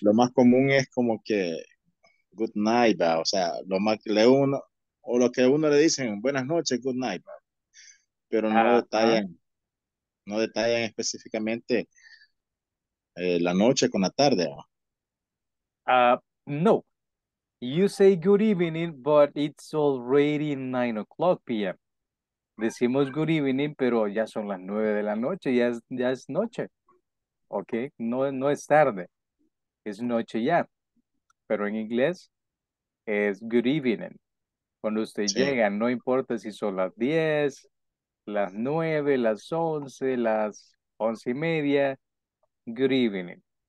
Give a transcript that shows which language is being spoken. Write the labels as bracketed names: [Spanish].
[Spanish] Lo más común es como que good night, ¿va? O sea, lo más que le uno, o lo que uno le dicen buenas noches, good night, ¿va? Pero no detallan específicamente la noche con la tarde, ¿va? No. [English] You say good evening, but it's already 9 o'clock p.m. [Spanish] Decimos good evening, pero ya son las 9 de la noche, ya es noche. Ok, no, no es tarde, es noche ya. Pero en inglés es good evening. Cuando usted Sí. llega, no importa si son las 10, las 9, las 11, las 11:30, good evening.